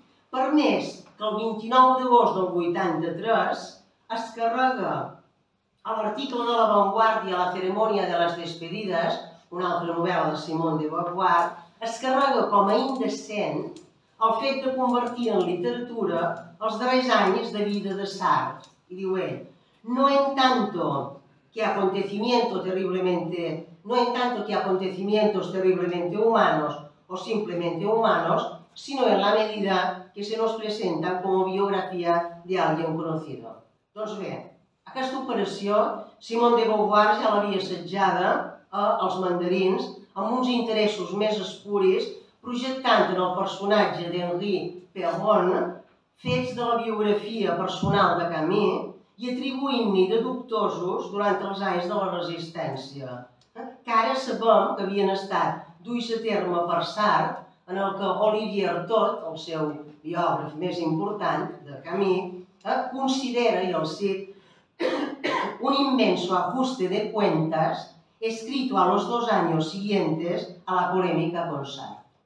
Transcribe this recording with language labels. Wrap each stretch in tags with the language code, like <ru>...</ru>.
<ca>Per més que el 29 d'agost del 83 es carrega a l'article de La Vanguardia, La cerimònia de les despedides, una altra novel·la de Simone de Beauvoir, es carrega com a indecent el fet de convertir en literatura els darrers anys de vida de Sartre. I diu ell,</ca> <es>no en tanto que acontecimiento terriblemente, no en tanto que acontecimientos terriblemente humanos o simplemente humanos, sino en la medida que se nos presenta como biografía de alguien conocido.</es> <ca>Doncs bé, aquesta operació Simone de Beauvoir ja l'havia assetjada als mandarins amb uns interessos més espuris, projectant en el personatge d'Henri Perron fets de la biografia personal de Camus i atribuint-li de dubtosos durant els anys de la resistència, que ara sabem que havien estat duits a terme per Sartre, en el que Olivier Todd, el seu biògraf més important de Camus, considera, i el cito,</ca> <es>un immenso ajuste de cuentas escrito a los dos años siguientes a la polémica con Sartre.</es>